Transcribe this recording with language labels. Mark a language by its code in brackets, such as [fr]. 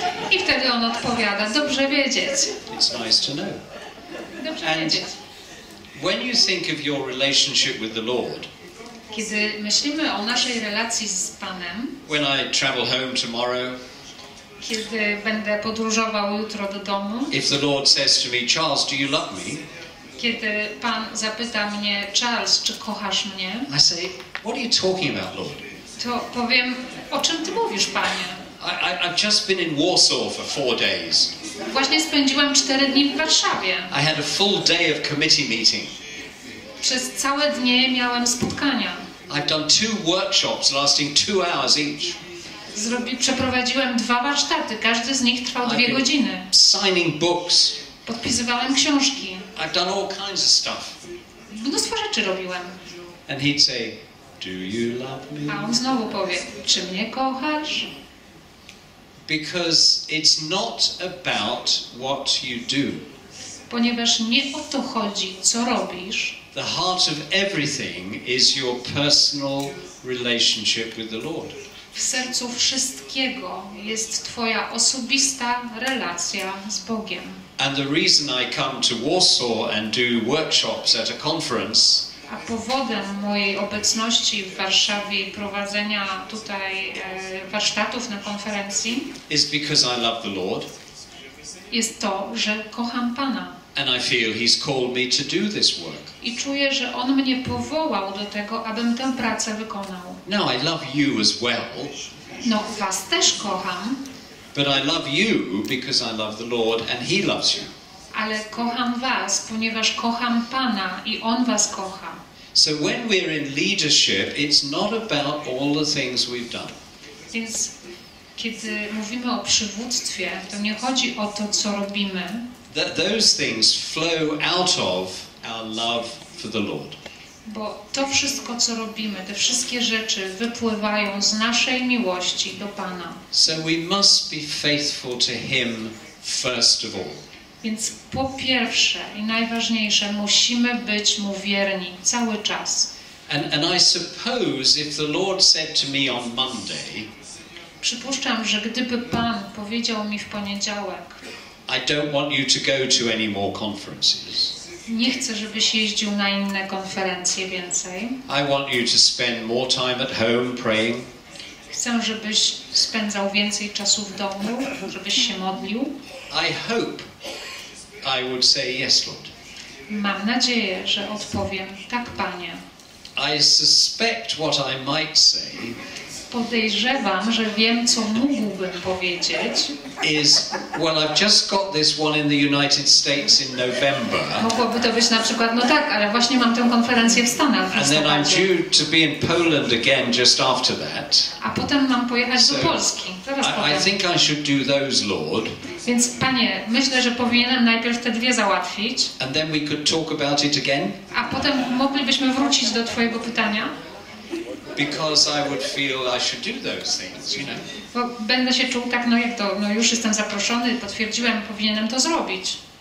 [pl] I wtedy on odpowiada, dobrze wiedzieć. [en] It's nice to know. [pl] Dobrze wiedzieć. [en] When you think of your relationship with the Lord. [pl] Kiedy myślimy o naszej relacji z Panem. [en] When I travel home tomorrow. [pl] Kiedy będę podróżował jutro do domu. [en] If the Lord says to me, Charles, do you love me? [pl] Kiedy Pan zapyta mnie, Charles, czy kochasz mnie? [en] I say, what are you talking about, Lord? [pl] To powiem, o czym ty mówisz, Panie? [en] I've just been in Warsaw for 4 days. [pl] Właśnie spędziłam 4 dni w Warszawie. [en] I had a full day of committee meeting. [pl] Przez całe dnie miałem spotkania. [en] I've done 2 workshops lasting 2 hours each. [pl] Przeprowadziłem 2 warsztaty, każdy z nich trwał 2 godziny. [en] Signing books. [pl] Podpisywałem książki. [en] I've done all kinds of stuff. [pl] Mnóstwo rzeczy robiłem. [en] And he'd say, "Do you love me?" [pl] A on znowu powie, czy mnie kochasz? [en] Because it's not about what you do. [pl] Ponieważ nie o to chodzi, co robisz. [en] The heart of everything is your personal relationship with the Lord. [pl] W sercu wszystkiego jest twoja osobista relacja z Bogiem. [en] And the reason I come to Warsaw and do workshops at a conference. [pl] A powodem mojej obecności w Warszawie i prowadzenia tutaj warsztatów na konferencji [en] is because I love the Lord. [pl] Jest to, że kocham Pana. [en] And I feel he's called me to do this work. [pl] I czuję, że On mnie powołał do tego, abym tę pracę wykonał. [en] Now I love you as well. [pl] No, was też kocham. [en] But I love you because I love the Lord and He loves you. [pl] Ale kocham was, ponieważ kocham Pana i On was kocha. [en] So when we're in leadership, it's not about all the things we've done. [pl] Więc kiedy mówimy o przywództwie, to nie chodzi o to, co robimy. [en] That those things flow out of our love for the Lord. [pl] Bo to wszystko, co robimy, te wszystkie rzeczy wypływają z naszej miłości do Pana. [en] So we must be faithful to Him first of all. [pl] Więc po pierwsze i najważniejsze, musimy być Mu wierni cały czas. [en] And I suppose if the Lord said to me on Monday, [pl] przypuszczam, że gdyby Pan powiedział mi w poniedziałek, [en] I don't want you to go to any more conferences. [pl] Nie chcę, żebyś jeździł na inne konferencje więcej. [en] I want you to spend more time at home praying. [pl] Chcę, żebyś spędzał więcej czasu w domu, żebyś się modlił. [en] I hope I would say yes, Lord. [pl] Mam nadzieję, że odpowiem tak, Panie. [en] I suspect what I might say. [pl] podejrzewam, że wiem, co mógłbym powiedzieć. [en] Is, well, I've just got this one in the United States in November. [pl] Mogłoby to być na przykład, no tak, ale właśnie mam tę konferencję w Stanach. [en] And then I'm due to be in Poland again just after that. [pl] A potem mam pojechać do Polski. Zaraz potem. [en] I think I should do those, Lord. [pl] Więc panie, myślę, że powinienem najpierw te dwie załatwić. [en] And then we could talk about it again. [pl] A potem moglibyśmy wrócić do twojego pytania. [en] Because I would feel I should do those things, you know. [pl] Bo będę się czuł tak, no jak to, no już jestem zaproszony, potwierdziłem, powinienem to zrobić.